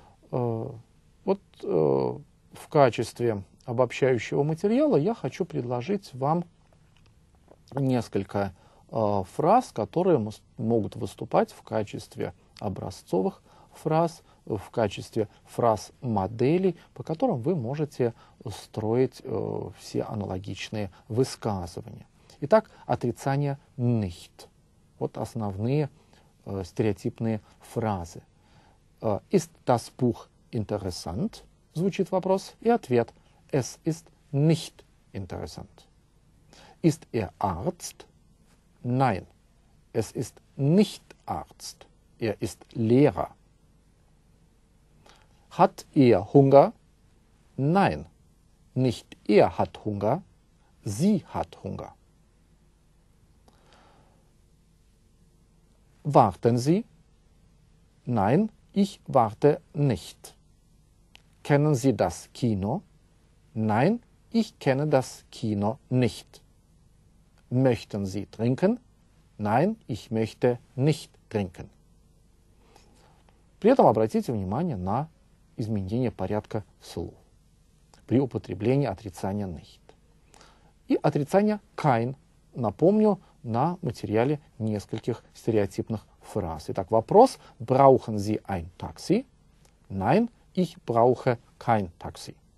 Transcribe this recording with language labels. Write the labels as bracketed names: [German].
[Russian] Вот в качестве обобщающего материала я хочу предложить вам несколько фраз, которые могут выступать в качестве образцовых фраз, в качестве фраз-моделей, по которым вы можете строить все аналогичные высказывания. Итак, отрицание «nicht». Вот основные стереотипные фразы. [German] «Ist das Buch interessant?» – [Russian] звучит вопрос. И ответ [German] – «Es ist nicht interessant». «Ist er Arzt?» – «Nein, es ist nicht Arzt, er ist Lehrer». «Hat er Hunger?» «Nein, nicht er hat Hunger, sie hat Hunger». «Warten Sie?» «Nein, ich warte nicht». «Kennen Sie das Kino?» «Nein, Ich kenne das Kino nicht. Möchten Sie trinken? Nein, ich möchte nicht trinken. [Russian] При этом обратите внимание на изменение порядка слов при употреблении отрицания nicht и отрицания kein, напомню, на материале нескольких стереотипных фраз. Итак, вопрос: [German] brauchen Sie ein Taxi? Nein, ich brauche kein Taxi.